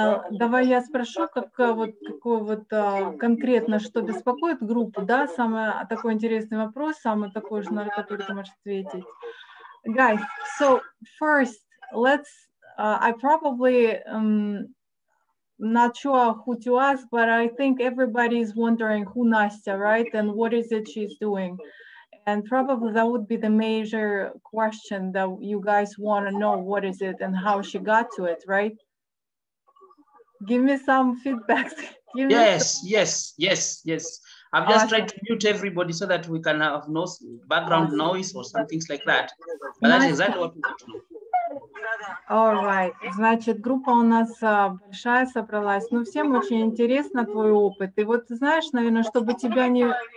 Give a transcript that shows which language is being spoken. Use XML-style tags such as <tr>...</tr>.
<ru>Давай я спрошу, конкретно, что беспокоит группу, да? Самый такой интересный вопрос, самый такой же, на который ты можешь ответить.</ru> <en>Guys, so first, let's, I probably, not sure who to ask, but I think everybody is wondering who Nastya, right? And what is it she's doing? And probably that would be the major question that you guys want to know, what is it and how she got to it, right? Give me some feedback. Yes. I'm just trying to mute everybody so that we can have no background noise or some things like that. But that's exactly what we want to know. All right.</en> <ru>Значит, группа у нас большая собралась. Ну, всем очень интересно твой опыт. И вот, знаешь, наверное, чтобы тебя не...</ru>